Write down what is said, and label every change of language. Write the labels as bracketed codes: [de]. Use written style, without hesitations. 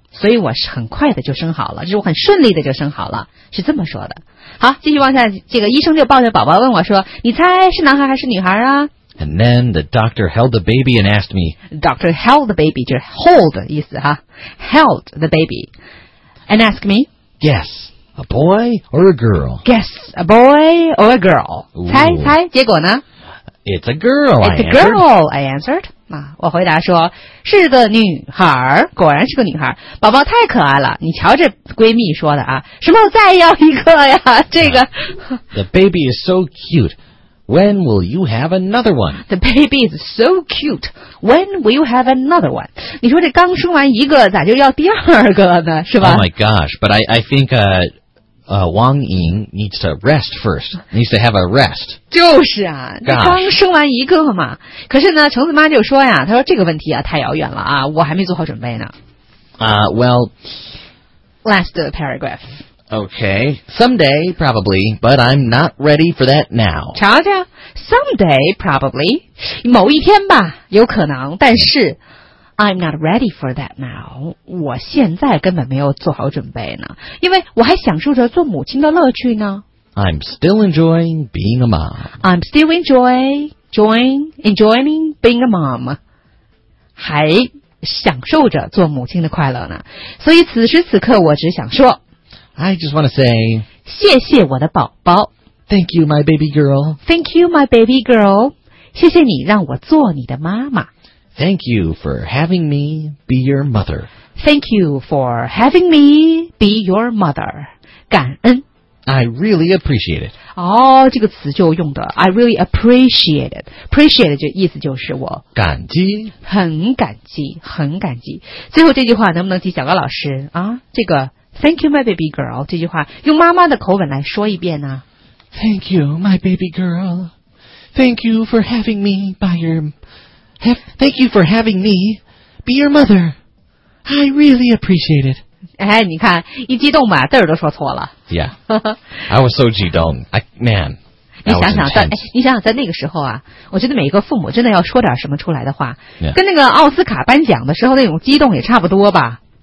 [zh] 所以我很快的就生好了，就是我很顺利的就生好了，是这么说的。好，继续往下，这个医生就抱着宝宝问我说，你猜是男孩还是女孩啊？ [en] And then the doctor held the baby and asked me. Doctor held the baby, [zh] 就是 hold 意思哈。 [en] Held the baby. And asked me. Guess, a boy or a girl? Guess, a boy or a girl? [zh] 猜猜结果呢? [en] It's a girl, I answered. It's a girl, I answered. [zh] 我回答说,是个女孩,果然是个女孩。宝宝太可爱了,你瞧这闺蜜说的啊,什么再要一个呀? 这个。 [en] The baby is so cute. When will you have another one? The baby is so cute. When will you have another one? [zh] 你说这刚生完一个，咋就要第二个呢？是吧 [en] ？Oh my gosh! But I think Wang Ying needs to rest first. Needs to have a rest. [zh] 就是啊， [en] gosh. [zh] 刚生完一个嘛。可是呢，橙子妈就说呀，她说这个问题啊太遥远了啊，我还没做好准备呢。 [en] Last paragraph. Okay, someday, probably, but I'm not ready for that now. [zh] 瞧瞧 [en] someday, probably, [zh] 某一天吧，有可能，但是 [en] I'm not ready for that now. [zh] 我现在根本没有做好准备呢，因为我还享受着做母亲的乐趣呢。 [en] I'm still enjoying being a mom. I'm still enjoying being a mom. [zh] 还享受着做母亲的快乐呢。所以此时此刻，我只想说 [en] I just want to say, [zh] 谢谢我的宝宝。 [en] Thank you, my baby girl. Thank you, my baby girl. [zh] 谢谢你让我做你的妈妈。 [en] Thank you for having me be your mother. Thank you for having me be your mother. [zh] 感恩。 [en] I really appreciate it. [zh] 哦，这个词就用的 [en] I really appreciate it. [zh] Appreciate 就意思就是我感激，很感激，很感激。最后这句话能不能请小高老师啊？这个。 [en] Thank you, my baby girl. [zh] 这句话用妈妈的口吻来说一遍呢。 [en] Thank you, my baby girl. Thank you for having me by your. Thank you for having me be your mother. I really appreciate it. [zh] 哎，你看，一激动吧，字儿都说错了。 [en] Yeah. I was so 激动.Man. [zh] 你想想在，你想想在那个时候啊，我觉得每一个父母真的要说点什么出来的话， [en] yeah. [zh] 跟那个奥斯卡颁奖的时候那种激动也差不多吧。